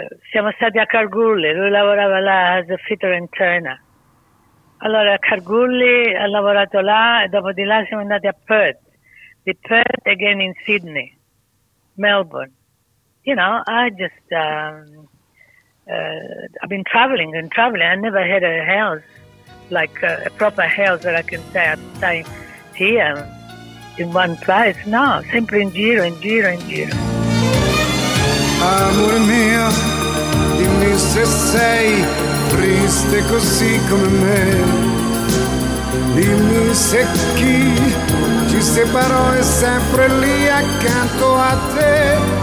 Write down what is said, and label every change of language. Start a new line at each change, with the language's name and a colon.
Italian: Siamo stati a Kalgoorlie, lui lavorava là
English: as a fitter and turner.
Italian: Allora a Kalgoorlie ha lavorato là e dopo di là siamo andati a Perth, di Perth
English: again
Italian: in Sydney.
English: Melbourne, you know, I just, I've been traveling, I never had a house, like a proper house that I can stay here in one place, no,
Italian: sempre in giro. Amor mio, dimmi se sei triste così come me, dimmi se chi ci queste parole sempre lì accanto a te.